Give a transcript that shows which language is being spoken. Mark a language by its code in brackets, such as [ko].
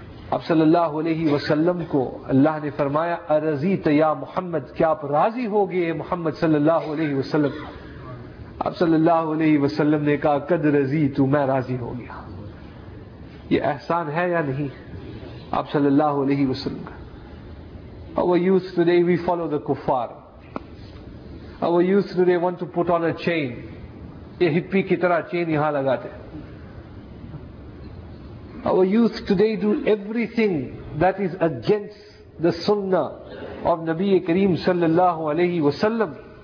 [ur] اب صلی اللہ علیہ وسلم کو اللہ نے فرمایا, ارضیت یا محمد, کیا آپ راضی ہو گئے محمد صلی اللہ علیہ وسلم؟ آپ صلی اللہ علیہ وسلم نے کہا قد رضی تو, میں راضی ہو گیا. یہ احسان ہے یا نہیں آپ صلی اللہ علیہ وسلم کا؟ [en] Our youth today, we follow the kuffar. Our youth today want to put on a chain. [ur] یہ ہپی کی طرح چین یہاں لگاتے. [en] Our youth today do everything that is against the sunnah of Nabi Kareem sallallahu alayhi wa sallam.